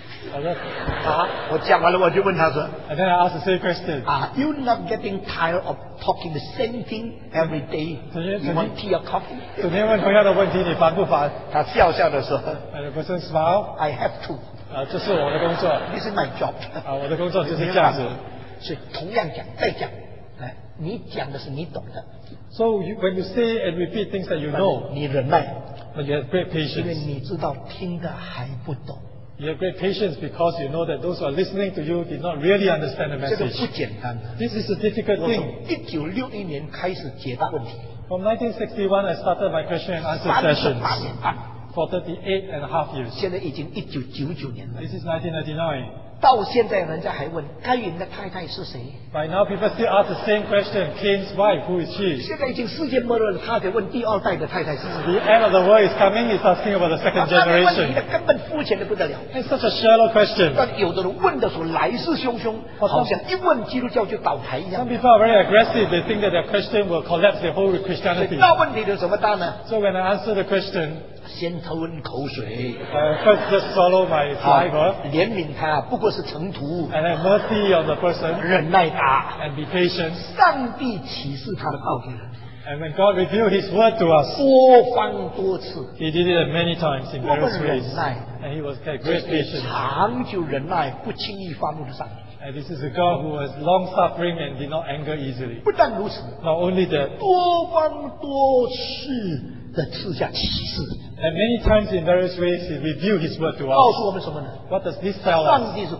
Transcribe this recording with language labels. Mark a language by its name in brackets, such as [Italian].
[Chinese] 你要不要茶还是咖啡？我说，我讲完了，我就问他说， [English] and then I ask the same question. Are you not getting tired of talking the same thing every day? You want tea or coffee? [Chinese] 昨天问同样的问题，你烦不烦？他笑笑的说， [English] and the person smiled. I have to. [Chinese] 这是我的工作。 [English] This is my job. [Chinese] 我的工作就是这样子。所以同样讲，再讲，你讲的是你懂的。 [English] So you, when you say and repeat things that you know, [Chinese] 你忍耐, [English] but you have great patience. You have great patience because you know that those who are listening to you did not really understand the message. This is a difficult thing. From 1961, I started my question and answer sessions for 38 and a half years. This is 1999. [Chinese] 到现在人家还问该隐的太太是谁？ [English] By now people still ask the same question. Cain's wife, who is she? [Chinese] 现在已经世界末日了，他还问第二代的太太是谁？ [English] The end of the world is coming. He's asking about the second generation. [Chinese] 那问题根本肤浅的不得了。 [English] It's such a shallow question. [Chinese] 但有的人问的时候来势汹汹，好像一问基督教就倒台一样。 [English] Some people are very aggressive. They think that their question will collapse their whole Christianity. [Chinese] 那问题的怎么答呢？ [English] So when I answer the question, [Chinese] 先吞口水。 [English] First, just swallow my saliva. [Chinese] 怜悯他。不过是成徒, [English] and have mercy on the person, [Chinese] 忍耐他, [English] and be patient. [Chinese] 上帝启示他的道理, [English] and when God revealed His word to us, [Chinese] 多方多次, [English] He did it many times in various ways. And He was had great patience. [Chinese] 长久忍耐, 不轻易发怒的上帝, [English] and this is a God who was long suffering and did not anger easily. [Chinese] 不但如此, [English] not only that, [Chinese] 多方多次, [English] and many times in various ways He revealed His word to us. What does this tell us?